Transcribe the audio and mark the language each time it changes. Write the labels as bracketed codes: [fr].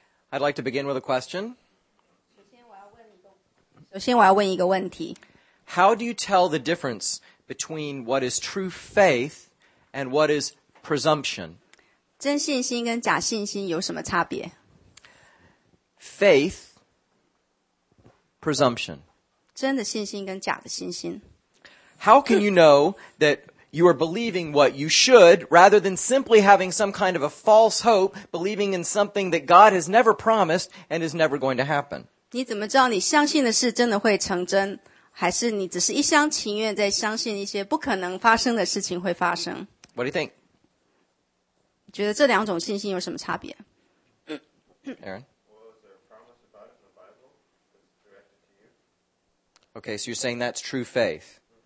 [en] I'd like to begin with a question. [zh] 首先我要问一个问题。 [en] How do you tell the difference between what is true faith and what is presumption? [zh] 真信心跟假信心有什么差别? [en] Faith, presumption. [zh] 真的信心跟假的信心。 [en] How can you know that you are believing what you should, rather than simply having some kind of a false hope, believing in something that God has never promised and is never going to happen? [zh] 你怎么知道你相信的事真的会成真, 还是你只是一厢情愿在相信一些不可能发生的事情会发生? [en] What do you think? [zh] 觉得这两种信心有什么差别? [en] Aaron? Well, is there a promise about it in the Bible? Okay, so you're saying that's true faith.